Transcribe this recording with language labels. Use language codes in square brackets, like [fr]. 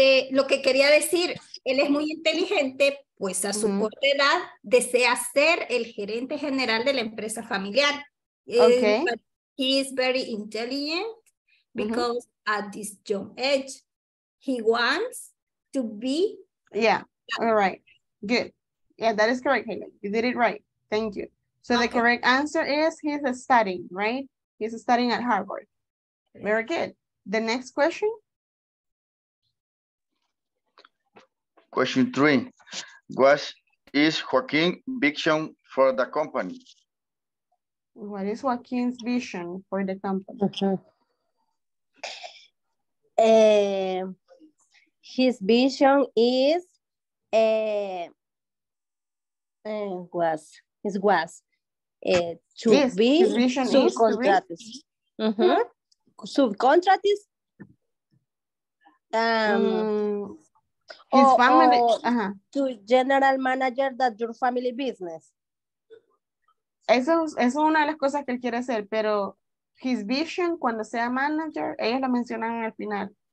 [es] Lo que quería decir, él es muy inteligente, pues a su corta edad desea ser el gerente general de la empresa familiar. Okay. [en] He is very intelligent because at this young age he wants to be. Yeah, all right, good. Yeah, that is correct, Hayley. You did it right, thank you. So okay. The correct answer is he's studying, right? He's studying at Harvard. Very good. The next question. Question three. What is Joaquin's vision for the company? What is Joaquin's vision for the company? His vision is to general manager that your family business. [es] Eso es una de las cosas que él quiere hacer, pero [en] his vision [es] cuando sea manager, ellos lo mencionan al final.